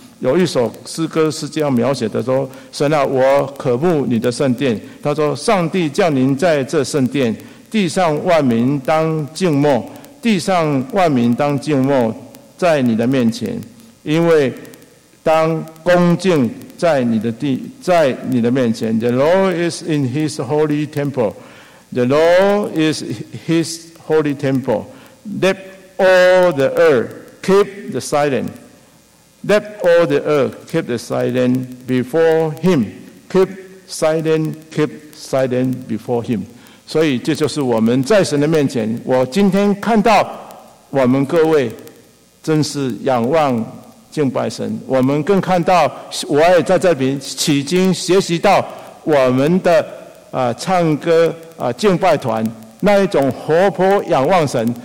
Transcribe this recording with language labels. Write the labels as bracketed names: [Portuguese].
[Chinese] 有一首诗歌是这样描写的，说神啊，我渴慕你的圣殿，他说上帝降临在这圣殿，地上万民当静默，地上万民当静默在你的面前，因为当恭敬在你的面前。 [English] The Lord is in his holy temple. The Lord is his holy temple. Let all the earth keep the silent. Let all the earth keep the silent before him. Keep silent, keep silent before him. [Chinese] 所以这就是我们在神的面前，我今天看到我们各位真是仰望敬拜神，我们更看到我也在这边取经学习到我们的唱歌敬拜团那一种活泼仰望神。